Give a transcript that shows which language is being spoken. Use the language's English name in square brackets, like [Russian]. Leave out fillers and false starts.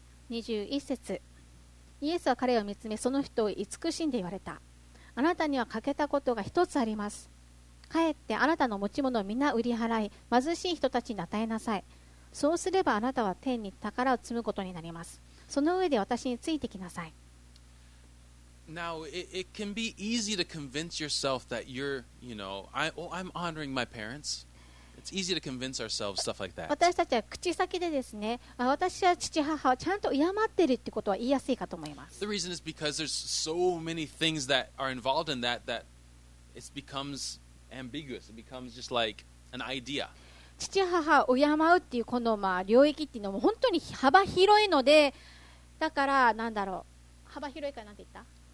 [Japanese] 21節、イエスは彼を見つめその人を慈しんで言われた。あなたには欠けたことが一つあります。帰ってあなたの持ち物をみんな売り払い、貧しい人たちに与えなさい。そうすればあなたは天に宝を積むことになります。その上で私についてきなさい。 [English] Now, it can be easy to convince yourself that you're, you know, I'm honoring my parents. It's easy to convince ourselves stuff like that. [Japanese] 私たちは口先でですね、私は父母をちゃんと敬っているってことは言いやすいかと思います。 [English] The reason is because there's so many things that are involved in that that it becomes ambiguous. It becomes just like an idea. [Japanese] 父母を敬うっていうこのまあ領域っていうのも本当に幅広いので、だからなんだろう、幅広いからなんて言った？